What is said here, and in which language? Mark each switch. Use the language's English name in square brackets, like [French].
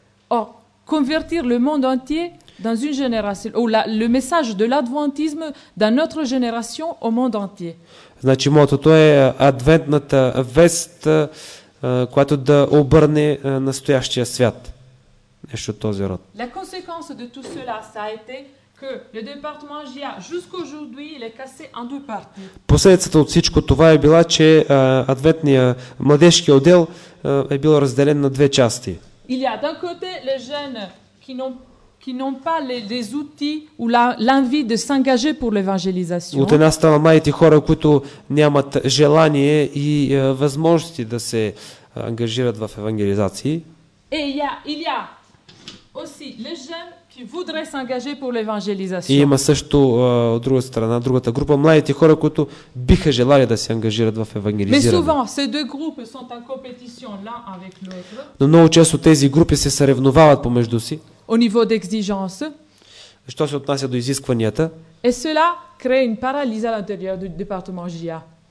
[French] О, convertir le monde entier dans une génération ou le message de l'adventisme dans notre génération au monde entier. [Bulgarian] Значи мотото е адвентната вест, която да обърне настоящия свят. Нещо от този род. [French] La conséquence de tout cela, ça a été que le département GIA jusqu'aujourd'hui il est cassé en deux parties. [Bulgarian] Последствията от всичко това е била, че ответния младежки отдел е бил разделен на две части. [French] Il y a d'un côté les jeunes qui n'ont pas les outils ou l'envie de s'engager pour l'évangélisation. [Bulgarian] От една страна младите хора, които нямат желание и възможности да се ангажират в евангелизации. [French] Et il y a aussi les jeunes qui voudraient s'engager pour l'évangélisation. [Bulgarian] Има също от друга страна, другата група младите хора, които биха желали да се ангажират в евангелизиране. [French] Mais souvent ces deux groupes sont en compétition l'un avec l'autre. [Bulgarian] Но много често тези групи се съревновават помежду си. [French] Au niveau d'exigence. [Bulgarian] Що се отнася до изискванията? [French] Et cela crée une paralysie à l'intérieur du département GIA.